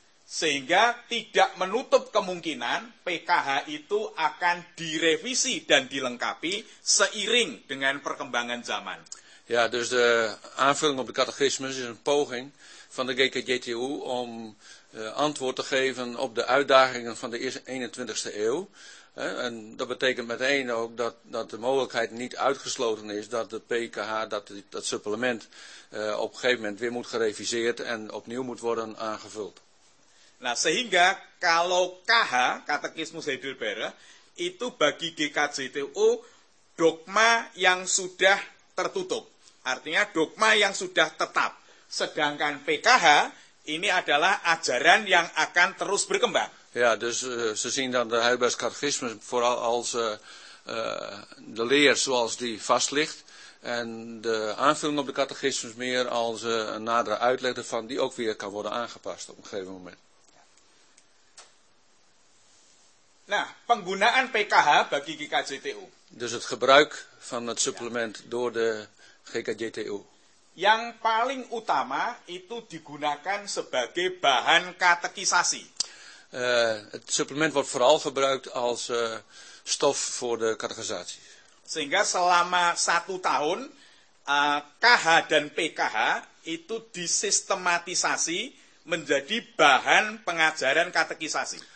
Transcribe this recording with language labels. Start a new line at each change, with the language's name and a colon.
Indonesian: Sehingga tidak menutup kemungkinan PKH itu akan direvisi dan dilengkapi seiring dengan perkembangan zaman.
Dutch: Ja, dus de aanvulling op de Katekismus is een poging van de GKJTU om antwoord te geven op de uitdagingen van de 21ste eeuw. En dat betekent meteen ook dat de mogelijkheid niet uitgesloten is dat de PKH, dat supplement, op een gegeven moment weer moet gereviseerd en opnieuw moet worden aangevuld.
Indonesian: Nah, sehingga kalau KH, Katekismus Heidelberg, itu bagi GKJTU dogma yang sudah tertutup. Artinya dogma yang sudah tetap. Sedangkan PKH, ini adalah ajaran yang akan terus berkembang.
Dutch: Ja, dus ze zien dan de Heidelbergse Katekismus vooral als de leer zoals die vast ligt. En de aanvulling op de Katekismus meer als een nadere uitleg ervan die ook weer kan worden aangepast op een gegeven moment.
Indonesian: Nah, penggunaan PKH bagi GKJTU.
Dutch: Dus het gebruik van het supplement door de GKJTU.
Indonesian: Yang paling utama itu digunakan sebagai bahan katekisasi.
Dutch: Het supplement wordt vooral gebruikt als stof voor de katekisatie.
Indonesian: Sehingga selama satu tahun KH dan PKH itu disistematisasi menjadi bahan pengajaran katekisasi.